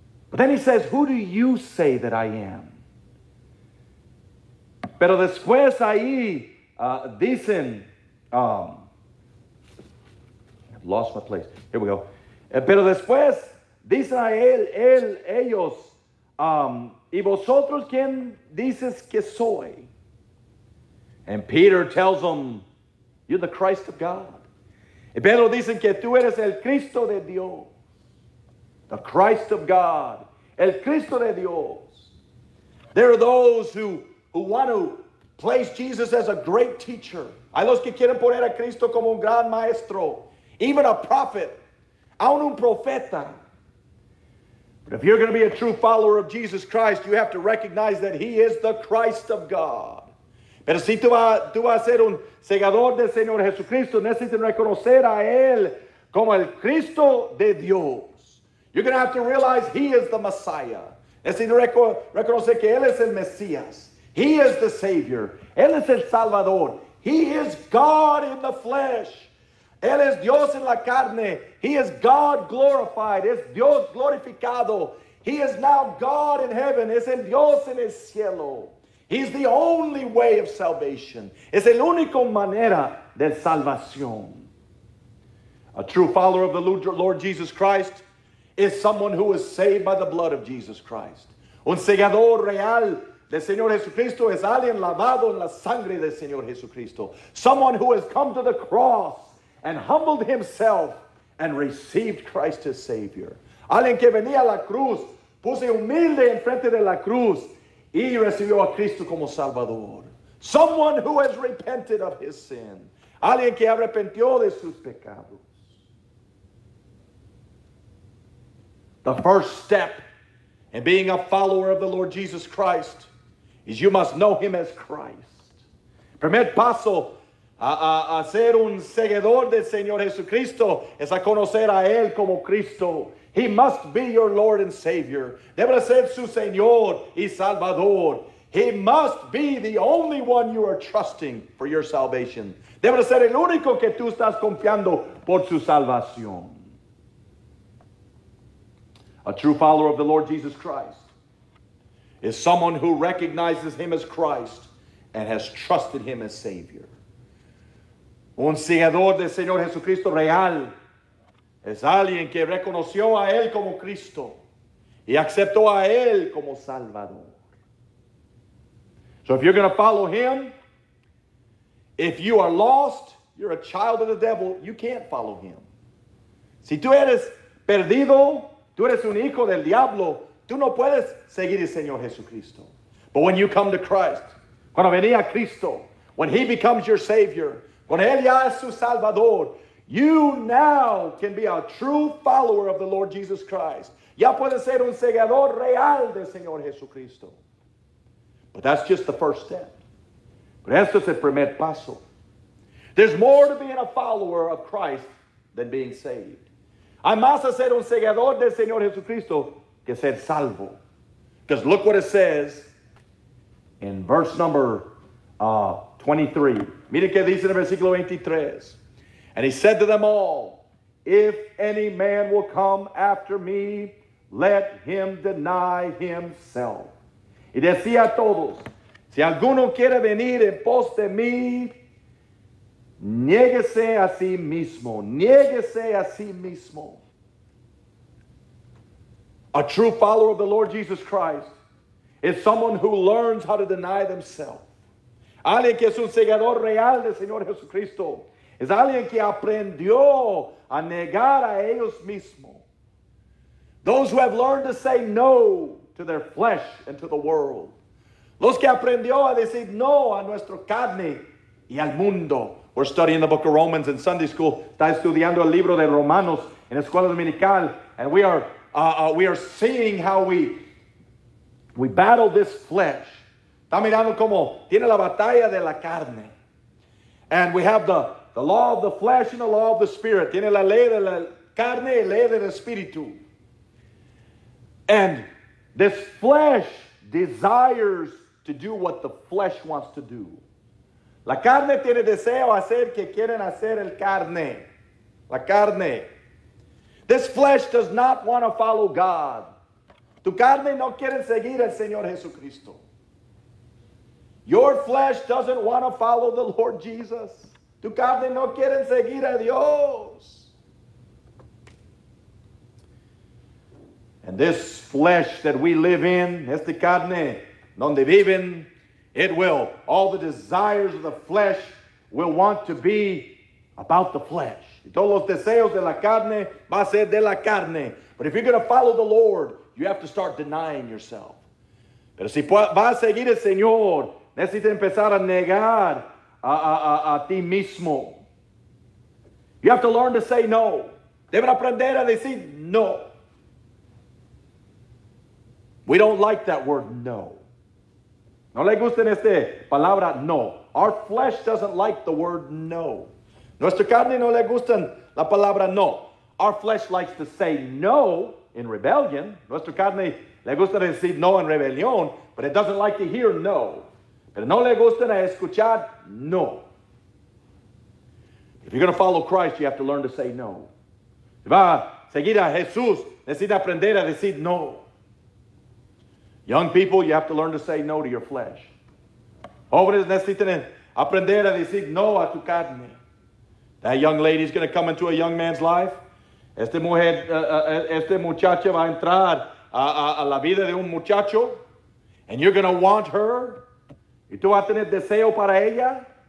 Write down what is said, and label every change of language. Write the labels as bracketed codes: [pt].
[en] But then he says, who do you say that I am? [es] Pero después ahí dicen, [en] I've lost my place. Here we go. [es] Pero después dicen a ellos, ¿y vosotros quién dices que soy? [en] And Peter tells them, you're the Christ of God. [es] Y Pedro dicen que tú eres el Cristo de Dios. [en] The Christ of God. [es] El Cristo de Dios. [en] There are those who want to place Jesus as a great teacher. [es] Hay los que quieren poner a Cristo como un gran maestro. [en] Even a prophet. [es] Aún un profeta. [en] But if you're going to be a true follower of Jesus Christ, you have to recognize that he is the Christ of God. [es] Pero si tú vas a ser un seguidor del Señor Jesucristo, necesitas reconocer a él como el Cristo de Dios. [en] You're going to have to realize he is the Messiah. [es] Necesitas reconocer que él es el Mesías. [en] He is the Savior. [es] Él es el Salvador. [en] He is God in the flesh. [es] Él es Dios en la carne. [en] He is God glorified. [es] Es Dios glorificado. [en] He is now God in heaven. [es] Es el Dios en el cielo. [en] He is the only way of salvation. [es] Es el único manera de salvación. [en] A true follower of the Lord Jesus Christ is someone who is saved by the blood of Jesus Christ. [es] Un seguidor real del Señor Jesucristo es alguien lavado en la sangre del Señor Jesucristo. [en] Someone who has come to the cross and humbled himself and received Christ as Savior. [es] Alguien que venía a la cruz, puse humilde enfrente de la cruz y recibió a Cristo como Salvador. [en] Someone who has repented of his sin. [es] Alguien que arrepintió de sus pecados. [en] The first step in being a follower of the Lord Jesus Christ is you must know him as Christ. [es] Primer paso a ser un seguidor del Señor Jesucristo es a conocer a él como Cristo. [en] He must be your Lord and Savior. [es] Debe ser su Señor y Salvador. [en] He must be the only one you are trusting for your salvation. [es] Debe ser el único que tú estás confiando por su salvación. [en] A true follower of the Lord Jesus Christ is someone who recognizes him as Christ and has trusted him as Savior. [es] Un seguidor del Señor Jesucristo real es alguien que reconoció a él como Cristo y aceptó a él como Salvador. [en] So if you're going to follow him, if you are lost, you're a child of the devil, you can't follow him. [es] Si tú eres perdido, tú eres un hijo del diablo, tú no puedes seguir el Señor Jesucristo. [en] But when you come to Christ, [es] cuando venía Cristo, [en] when he becomes your Savior, [es] cuando él ya es su Salvador, [en] you now can be a true follower of the Lord Jesus Christ. [es] Ya puede ser un seguidor real del Señor Jesucristo. [en] But that's just the first step. [es] Pero esto es el primer paso. [en] There's more to being a follower of Christ than being saved. [es] Hay más a ser un seguidor del Señor Jesucristo que ser salvo. [en] Because look what it says in verse number 23. [es] Mire que dice en el versículo 23. [en] And he said to them all, if any man will come after me, let him deny himself. [es] Y decía a todos, si alguno quiere venir en pos de mí, niéguese a sí mismo. Niéguese a sí mismo. [en] A true follower of the Lord Jesus Christ is someone who learns how to deny themselves. [es] Alguien que es un seguidor real del Señor Jesucristo es alguien que aprendió a negar a ellos mismos. [en] Those who have learned to say no to their flesh and to the world. [es] Los que aprendió a decir no a nuestra carne y al mundo. [en] We're studying the book of Romans in Sunday school. [es] Está estudiando el libro de Romanos en escuela dominical. [en] And we are seeing how we battle this flesh. [es] Está mirando como tiene la batalla de la carne. [en] And we have the law of the flesh and the law of the spirit. [es] Tiene la ley de la carne y ley del espíritu. [en] And this flesh desires to do what the flesh wants to do. [es] La carne tiene deseo hacer que quieren hacer el carne. La carne. [en] This flesh does not want to follow God. [es] Tu carne no quiere seguir al Señor Jesucristo. [en] Your flesh doesn't want to follow the Lord Jesus. [es] Tu carne no quiere seguir a Dios. [en] And this flesh that we live in, [es] este carne donde viven, [en] it will, all the desires of the flesh will want to be about the flesh. [es] Y todos los deseos de la carne va a ser de la carne. [en] But if you're going to follow the Lord, you have to start denying yourself. [es] Pero si va a seguir el Señor, necesita empezar a negar a ti mismo. [en] You have to learn to say no. [es] Deben aprender a decir no. [en] We don't like that word no. [es] No le gusta esta palabra no. [en] Our flesh doesn't like the word no. [es] Nuestra carne no le gusta la palabra no. [en] Our flesh likes to say no in rebellion. [es] Nuestra carne le gusta decir no en rebelión, [en] but it doesn't like to hear no. [es] Pero no le gusta escuchar no. [en] If you're going to follow Christ, you have to learn to say no. [es] Si va a seguir a Jesús, necesita aprender a decir no. [en] Young people, you have to learn to say no to your flesh. [es] Jóvenes, necesitan aprender a decir no a tu carne. [en] That young lady is going to come into a young man's life. [es] Esta mujer, este muchacho va a entrar a la vida de un muchacho. [en] And you're going to want her. [es] Y tú vas a tener deseo para ella.